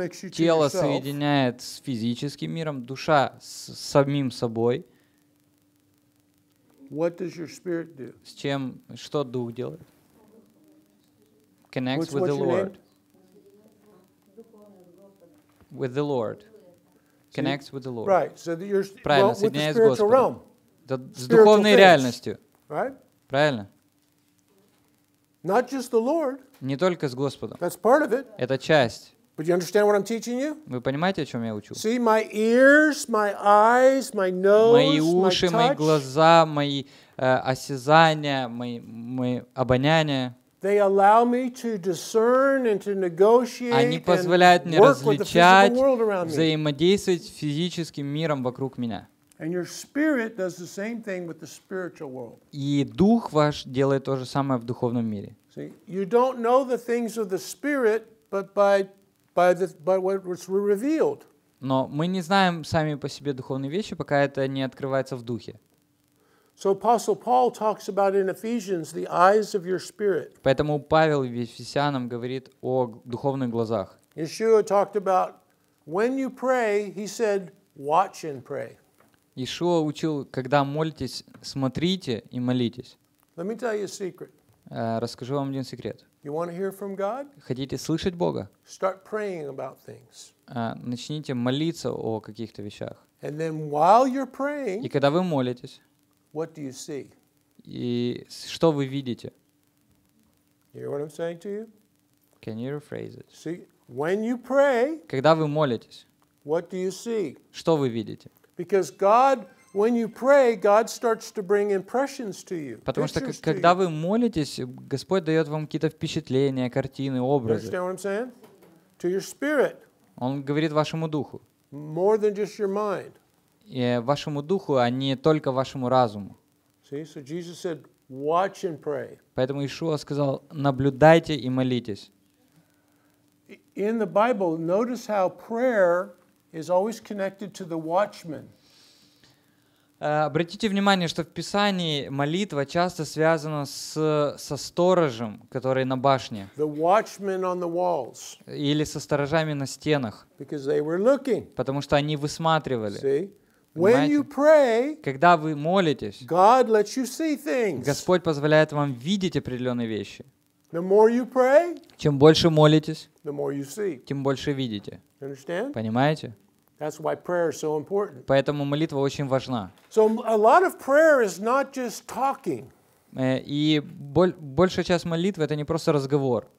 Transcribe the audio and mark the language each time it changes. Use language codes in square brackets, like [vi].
[ru] Тело соединяет с физическим миром, душа — с самим собой. [en] What does your spirit do? [ru] С чем, что Дух делает? [en] Connects with the Lord. With the Lord. Connects with the Lord. Right. So that you're [ru] правильно, [en] well, [ru] соединяясь [en] with the spiritual realm. [ru] Да, с духовной things, реальностью. [en] Right? [ru] Правильно? [en] Not just the Lord. [ru] Не только с Господом. [en] That's part of it. [ru] Это часть. [en] But you understand what I'm teaching you? [ru] Вы понимаете, о чем я учу? [en] See, my ears, my eyes, my nose, [ru] мои уши, [en] my touch, [ru] мои глаза, мои осязания, мои обоняния. [en] They allow me to discern and to negotiate. [ru] Они позволяют мне различать, взаимодействовать с физическим миром вокруг меня. [en] And your spirit does the same thing with the spiritual world. [ru] И дух ваш делает то же самое в духовном мире. [en] See, you don't know the things of the spirit, but by what was revealed. [ru] Но мы не знаем сами по себе духовные вещи, пока это не открывается в духе. [en] So Apostle Paul talks about in Ephesians the eyes of your spirit. [ru] Поэтому Павел в Ефесянам говорит о духовных глазах. [en] Yeshua talked about when you pray, he said, watch and pray. [ru] Yeshua учил, когда молитесь, смотрите и молитесь. [en] Let me tell you a secret. [ru] Расскажу вам один секрет. [en] You want to hear from God? [ru] Хотите слышать Бога? [en] Start praying about things. [ru] Начните молиться о каких-то вещах. [en] And then while you're praying. [ru] И когда вы молитесь. [en] What do you see? [ru] И что вы видите? [en] You hear what I'm saying to you? Can you rephrase it? See, when you pray. [ru] Когда вы молитесь. [en] What do you see? [ru] Что вы видите? [en] Because God, when you pray, God starts to bring impressions to you. [ru] Потому что когда вы молитесь, Господь дает вам какие-то впечатления, картины, образы. [en] You understand what I'm saying? To your spirit. [ru] Он говорит вашему духу. [en] More than just your mind. [ru] вашему духу, а не только вашему разуму. [en] See, so Jesus said, watch and pray. [ru] Поэтому Иешуа сказал, наблюдайте и молитесь. [en] In the Bible, notice how prayer is always connected to the watchman. [ru] Обратите внимание, что в Писании молитва часто связана со сторожем, который на башне. [en] The watchman on the walls. [ru] Или со сторожами на стенах. [en] Because they were looking. [ru] Потому что они высматривали. [en] See? When you pray, [ru] когда вы молитесь, [en] God lets you see things. [ru] Господь позволяет вам видеть определенные вещи. [en] The more you pray, [ru] чем больше молитесь, [en] the more you see. [ru] Тем больше видите. [en] Understand? [ru] Понимаете? [en] That's why prayer is so important. [ru] Поэтому молитва очень важна. [en] So a lot of prayer is not just talking. [ru] И большая часть молитвы — это не просто разговор.